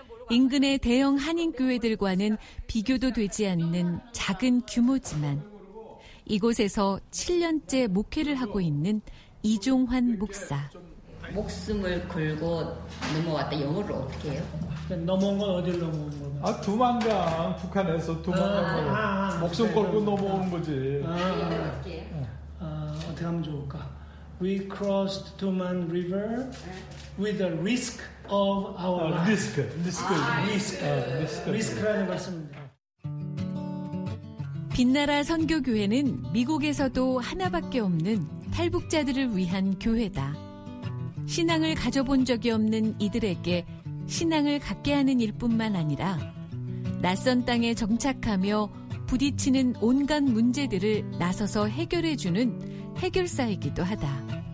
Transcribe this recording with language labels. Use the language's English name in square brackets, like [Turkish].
[Korean] 인근의 대형 한인교회들과는 비교도 되지 않는 작은 규모지만 이곳에서 7년째 목회를 하고 있는 이종환 목사. 목숨을 걸고 넘어왔다. 영어로 어떻게 해요? 넘어온 건 어디로 넘어온 거예요? 아, 도망간. 북한에서 도망간 거예요. 목숨 걸고 넘어온 거지. 어떻게 하면 좋을까? [English] We crossed Tuman River with a risk of our life. [Korean] Risk라는 말씀입니다. 빛나라 선교교회는 미국에서도 하나밖에 없는 탈북자들을 위한 교회다. 신앙을 가져본 적이 없는 이들에게 신앙을 갖게 하는 일뿐만 아니라 낯선 땅에 정착하며 부딪히는 온갖 문제들을 나서서 해결해주는 해결사이기도 하다.